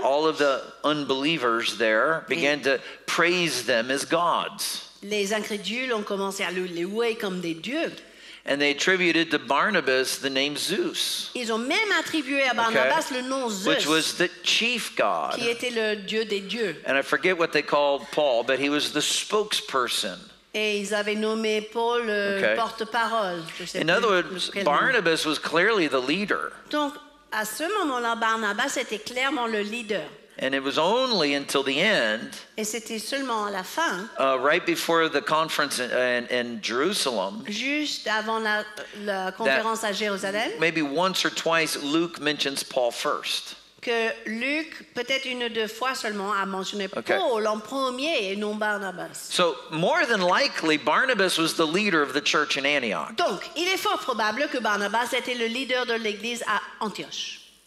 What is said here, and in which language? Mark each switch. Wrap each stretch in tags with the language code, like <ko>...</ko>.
<en>all of the unbelievers there began to praise them as gods.</en> <fr>Les incrédules ont commencé à les louer comme des dieux.</fr> <en>And they attributed to Barnabas the name Zeus.</en> <fr>Ils ont même attribué à Barnabas okay, le nom Zeus,</fr> <en>which was the chief god.</en> <fr>Qui était le dieu des dieux.</fr> <en>And I forget what they called Paul, but he was the spokesperson.</en> <fr>Et ils avaient nommé Paul le okay, porte-parole.</fr> <en>In other words, Barnabas was clearly the leader.</en> <fr>Donc, à ce moment-là, Barnabas était clairement le leader.</fr> <en>And it was only until the end,</en> <fr>et c'était seulement à la fin,</fr> <en>right before the conference in Jerusalem,</en> <fr>juste avant la conférence à Jérusalem,</fr> <en>maybe once or twice Luke mentions Paul first.</en> <fr>Que Luke, peut-être une ou deux fois seulement, a mentionné</fr> <en>okay,</en> <fr>Paul en premier et non Barnabas.</fr> <en>So, more than likely, Barnabas was the leader of the church in Antioch.</en> <fr>Donc, il est fort probable que Barnabas était le leader de l'église à Antioche.</fr>